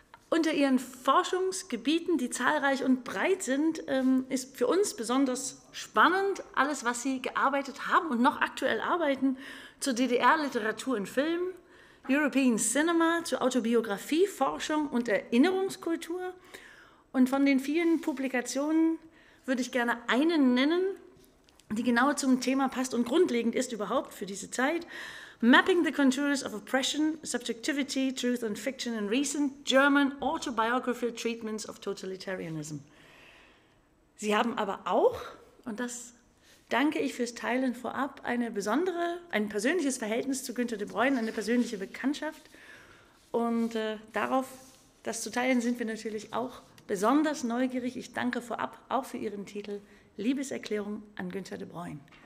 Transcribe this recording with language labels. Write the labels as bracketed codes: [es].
[de] Unter Ihren Forschungsgebieten, die zahlreich und breit sind, ist für uns besonders spannend alles, was Sie gearbeitet haben und noch aktuell arbeiten, zur DDR-Literatur und Film, European Cinema, zur Autobiografie, Forschung und Erinnerungskultur. Und von den vielen Publikationen würde ich gerne eine nennen, die genau zum Thema passt und grundlegend ist überhaupt für diese Zeit. [en] Mapping the Contours of Oppression, Subjectivity, Truth and Fiction in Recent German Autobiographical Treatments of Totalitarianism. [de] Sie haben aber auch, und das danke ich fürs Teilen vorab, ein persönliches Verhältnis zu Günter de Bruijn, eine persönliche Bekanntschaft. Und darauf, das zu teilen, sind wir natürlich auch besonders neugierig. Ich danke vorab auch für Ihren Titel Liebeserklärung an Günter de Bruijn.